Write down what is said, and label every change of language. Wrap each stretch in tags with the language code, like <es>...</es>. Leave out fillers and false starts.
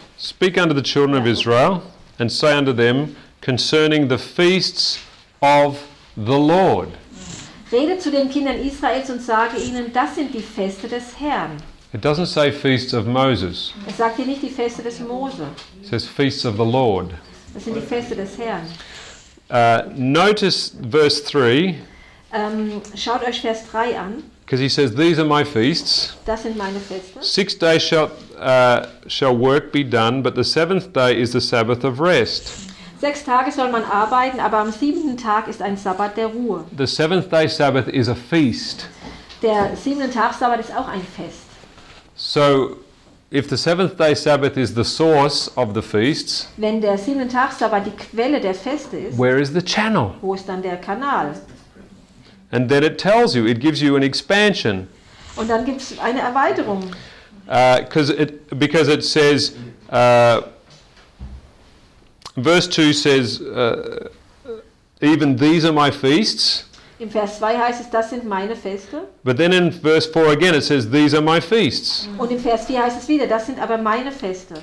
<en>Speak unto the children of Israel and say unto them concerning the feasts of the Lord.</en> <de>Rede zu den Kindern Israels und sage ihnen, das sind die Feste des Herrn.</de> <en>It doesn't say feasts of Moses.</en> <de>Es sagt hier nicht die Feste des Mose.</de> <en>It says feasts of the Lord.</en> <de>Das sind die Feste des Herrn.</de> <en>Notice verse 3.</en> <de>Schaut euch Vers 3 an.</de> <en>Because he says, these are my feasts.</en> <de>Das sind meine Feste.</de> <en>6 days shall work be done, but the seventh day is the Sabbath of rest.</en> <de>6 Tage soll man arbeiten, aber am 7. Tag ist ein Sabbat der Ruhe.</de> <en>The seventh day Sabbath is a feast.</en> <de>Der 7. Tag Sabbat ist auch ein Fest.</de> <en>So, if the seventh day Sabbath is the source of the feasts,</en> <de>wenn der 7. Tag Sabbat die Quelle der Feste ist,</de> <en>where is the channel?</en> <de>Wo ist dann der Kanal?</de> <en>And then it tells you, it gives you an expansion.</en> <de>Und dann gibt's eine Erweiterung.</de> <en>Because it says, verse 2 says, even these are my feasts.</en> <de>In Vers 2 heißt es, das sind meine Feste.</de> <en>But then in verse 4 again it says, these are my feasts.</en> <de>Und in Vers 4 heißt es wieder, das sind aber meine Feste.</de>